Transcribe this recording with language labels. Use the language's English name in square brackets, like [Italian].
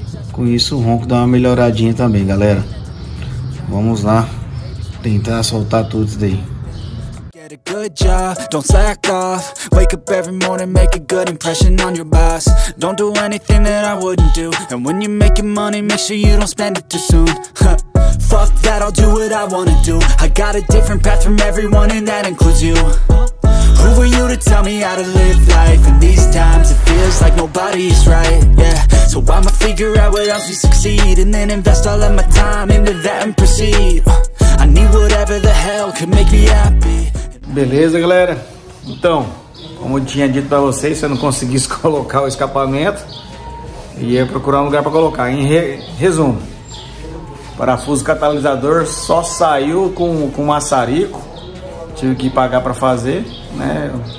[Portuguese] Com isso o ronco dá uma melhoradinha também, galera. Vamos lá tentar soltar tudo isso daí. [English] Good job, don't slack off. Wake up every morning, make a good impression on your boss. Don't do anything that I wouldn't do. And when you're making money, make sure you don't spend it too soon. Fuck that, I'll do what I wanna do. I got a different path from everyone, and that includes you. Who are you to tell me how to live life? In these times, it feels like nobody's right, yeah. So I'ma figure out what else we succeed, and then invest all of my time into that and proceed. I need whatever the hell can make me happy. [Portuguese] Beleza, galera? Então, como eu tinha dito pra vocês, se eu não conseguisse colocar o escapamento, ia procurar um lugar pra colocar. Em resumo, parafuso catalisador só saiu com maçarico, tive que pagar pra fazer, né?